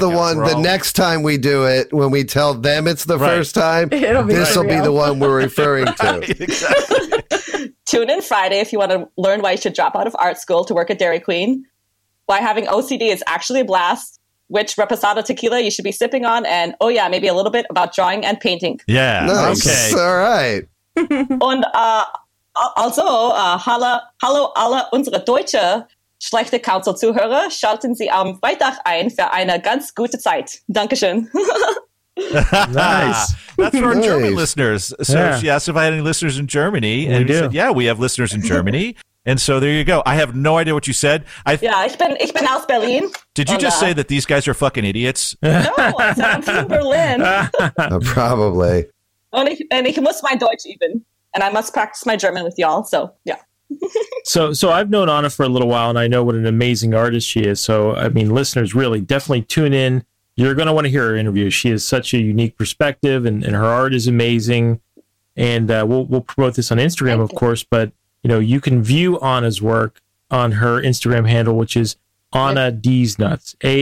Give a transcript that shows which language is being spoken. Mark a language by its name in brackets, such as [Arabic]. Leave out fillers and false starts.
[English] The one. The next time we do it, when we tell them it's the first time, this will be the one we're referring to. Right, exactly. Tune in Friday if you want to learn why you should drop out of art school to work at Dairy Queen. Why having OCD is actually a blast. Which reposado tequila you should be sipping on, and oh yeah, maybe a little bit about drawing and painting. Yeah, nice. Okay, all right. And also, [German] hallo alle unsere deutsche schlechte Council Zuhörer, schalten Sie am Freitag ein für eine ganz gute Zeit. Dankeschön. [English] Nice. That's for our nice. German listeners. So yeah. She asked if I had any listeners in Germany, and we said, "Yeah, we have listeners in Germany." And so there you go. I have no idea what you said. [German] Ich bin aus Berlin. [English] Did you just say that these guys are fucking idiots? No, I'm from Berlin. Probably. [German] And ich muss mein Deutsch üben. [English] And I must practice my German with y'all. So, yeah. So I've known Anna for a little while, and I know what an amazing artist she is. So, I mean, listeners, really, definitely tune in. You're going to want to hear her interview. She has such a unique perspective, and her art is amazing. And we'll promote this on Instagram, thank of you. Course, but... You know, you can view Anna's work on her Instagram handle, which is Anna D's Nuts.